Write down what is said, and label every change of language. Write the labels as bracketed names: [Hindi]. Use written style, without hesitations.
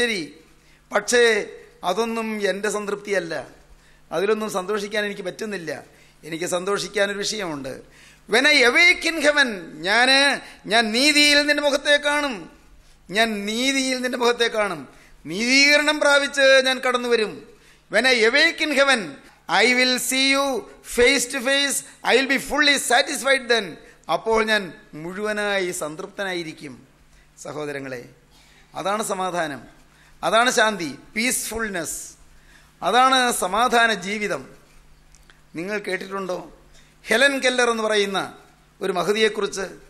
[Malayalam] ശരി, പക്ഷേ അതൊന്നും എൻ്റെ സംതൃപ്തിയല്ല, അതിലൊന്നും സന്തോഷിക്കാൻ എനിക്ക് പറ്റുന്നില്ല. എനിക്ക് സന്തോഷിക്കാനൊരു വിഷയമുണ്ട്. [English] when I awake in heaven, [Malayalam] ഞാൻ നീതിയിൽ നിന്റെ മുഖത്തെ കാണും, ഞാൻ നീതിയിൽ നിന്റെ മുഖത്തെ കാണും, നീതീകരണം പ്രാപിച്ച് ഞാൻ കടന്നു വരും. [English] When I awake in heaven, I will see you face to face. I will be fully satisfied then. [Malayalam] അപ്പോൾ ഞാൻ മുഴുവനായി സംതൃപ്തനായിരിക്കും. സഹോദരങ്ങളെ, അതാണ് സമാധാനം, അതാണ് ശാന്തി, പീസ്ഫുൾനെസ്, അതാണ് സമാധാന ജീവിതം. നിങ്ങൾ കേട്ടിട്ടുണ്ടോ ഹെലൻ കെല്ലർ എന്ന് പറയുന്ന ഒരു മഹതിയെക്കുറിച്ച്?